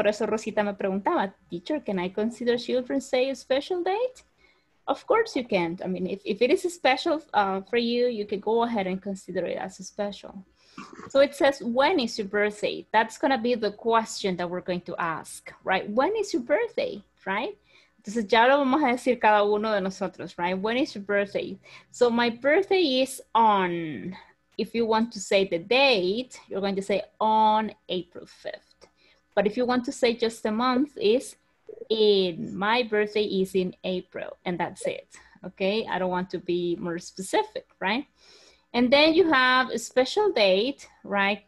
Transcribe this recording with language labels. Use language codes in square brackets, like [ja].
[en] Por eso Rosita me preguntaba, teacher, can I consider Children's Day a special date? Of course you can. I mean, if it is a special for you, you can go ahead and consider it as a special. So it says, when is your birthday? That's going to be the question that we're going to ask, right? When is your birthday, right? [es] Entonces ya lo vamos a decir cada uno de nosotros, right? [en] When is your birthday? So my birthday is on, if you want to say the date, you're going to say on April 5th. But if you want to say just the month, is in, my birthday is in April, and that's it, okay? I don't want to be more specific, right? And then you have a special date, right?